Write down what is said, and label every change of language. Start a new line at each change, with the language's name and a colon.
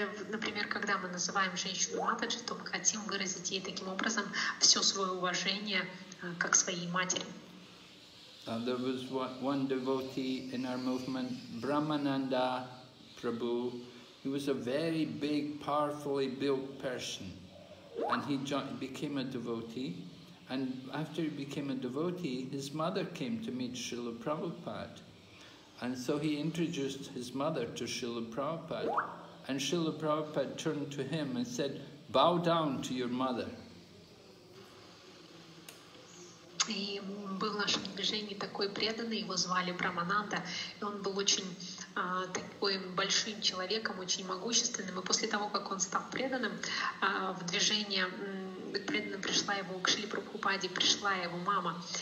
Russian: Например, когда мы называем женщину Матаджи, то мы хотим выразить ей таким образом все свое уважение, как своей матери.
English: There was one devotee in our movement, Brahmananda Prabhu. He was a very big, powerfully built person. And he became a devotee. And after he became a devotee, his mother came to meet Srila Prabhupada. And so he introduced his mother to Srila Prabhupada. And Srila Prabhupada turned to him and said, "Bow down to your mother."
Russian: И был в нашем движении такой преданный, его звали Брамананда, и он был очень таким большим человеком, очень могущественным. И после того, как он стал преданным в движение, преданным пришла его к Шриле Прабхупаде, пришла его мама.